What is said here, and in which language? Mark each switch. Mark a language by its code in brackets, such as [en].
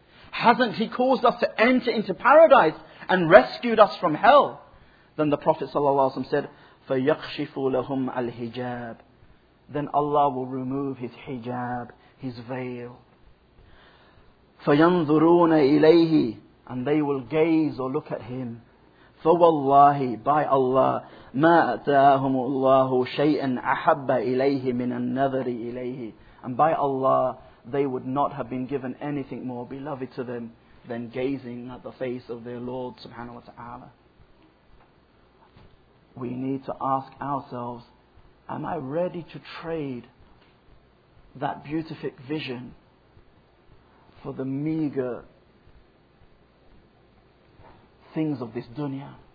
[en] Hasn't He caused us to enter into paradise and rescued us from hell? Then the Prophet ﷺ said, [ar] فَيَخْشِفُ لَهُمْ الْحِجَابِ. [en] Then Allah will remove His hijab, His veil. [ar] فَيَنْظُرُونَ إِلَيْهِ. [en] And they will gaze or look at Him. [ar] فَوَاللَّهِ, [en] by Allah, [ar] مَا أَتَاهُمُ اللَّهُ شَيْئًا أَحَبَّ إِلَيْهِ مِنَ النَّذَرِ إِلَيْهِ. [en] And by Allah, they would not have been given anything more beloved to them than gazing at the face of their Lord subhanahu wa ta'ala. We need to ask ourselves, am I ready to trade that beatific vision for the meager things of this dunya?